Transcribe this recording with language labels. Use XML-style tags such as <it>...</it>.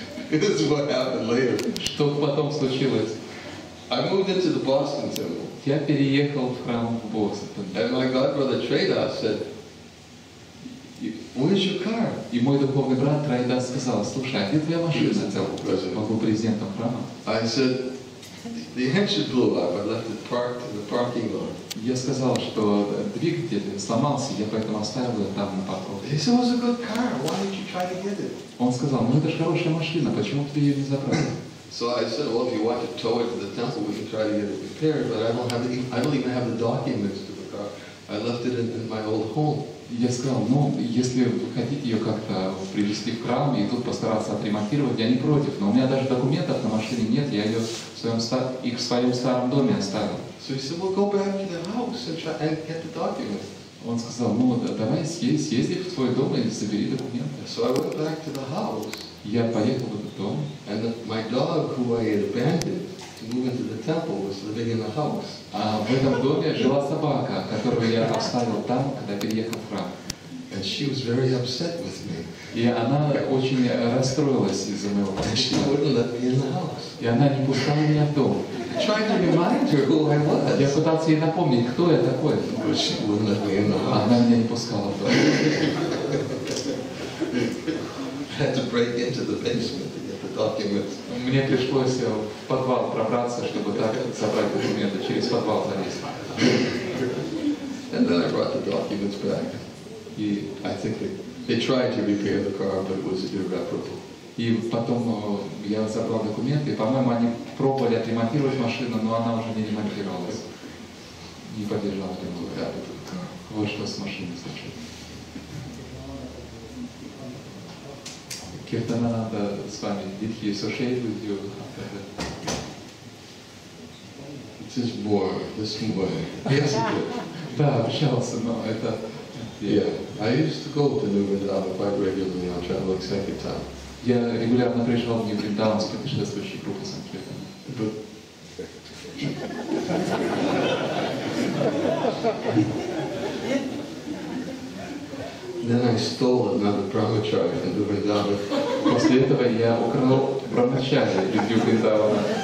<en>This is what happened later.</en> <ru>Что потом случилось?</ru> <en>I moved into the Boston temple.</en> <ru>Я переехал в храм в Бостон.</ru> <en>And my god brother Trader said, "Where's your car?"</en> <ru>И мой духовный брат Трейдас сказал: "Слушай, где твоя машина?" Могу президентом храма.</ru> <en>I said, "The engine blew up. I left it parked in the parking lot."</en> <ru>Я сказал, что двигатель сломался, я поэтому оставил его там на парковке.</ru> <en>He said, "It was a good car. Why didn't you try to get it?"</en> <ru>Он сказал: "Ну это же хорошая машина, почему ты ее не забрал?"</ru> <en>So I said, "Well, if you want to tow it to the temple, we can try to get it repaired. But I don't have the, I don't even have the documents to the car. I left it in my old home."</en> <ru>Я сказал, ну, если вы хотите ее как-то привезти в храм и тут постараться отремонтировать, я не против. Но у меня даже документов на машине нет, я ее в своем их в своем старом доме оставил.</ru> <en>So he said, "Well, go back to the house and try and get the documents."</en> <ru>Он сказал, ну, давай съезди в твой дом и забери документы.</ru> <en>So I went back to the house.</en> <ru>Я поехал в этот дом.</ru> <en>And my dog, who I had abandoned to move into the temple, was living in the house.</en> <ru>А в этом доме жила собака, которую я оставил там, когда переехал в храм.</ru> <en>And she was very upset with me.</en> <ru>И она очень расстроилась из-за моего.</ru> <en>And she wouldn't let me in the house.</en> <ru>И она не пускала меня в дом.</ru> <en>I tried to remind her who I was.</en> <ru>Я пытался ей напомнить, кто я такой.</ru> <en>But she wouldn't let me in the house.</en> <ru>Она меня не пускала в дом.</ru> <en>I had to break into the basement.</en> <ru>Мне пришлось в подвал пробраться, чтобы так забрать документы, через подвал залезть.</ru> <en>And then I brought the documents back. И I think they tried to repair the car, but it was irreparable.</en> <ru>И потом я забрал документы, и, по-моему, они пробовали отремонтировать машину, но она уже не ремонтировалась. Не поддержала ремонт. Вот что с машиной случилось.</ru> <en>Kirtananda Swami, did he associate with you? It's his boy, this boy. Yes, he did. Yeah, I used to go to New Vrindavan quite regularly on traveling Sankirtan.</en> <ru>Я регулярно приезжал в New Vrindavan с путешествующей группой Sankirtan.</ru> <en>But then I stole another brahmachari in New Vrindavan.</en> <ru>После этого я украл брамачари из New Vrindavan.</ru>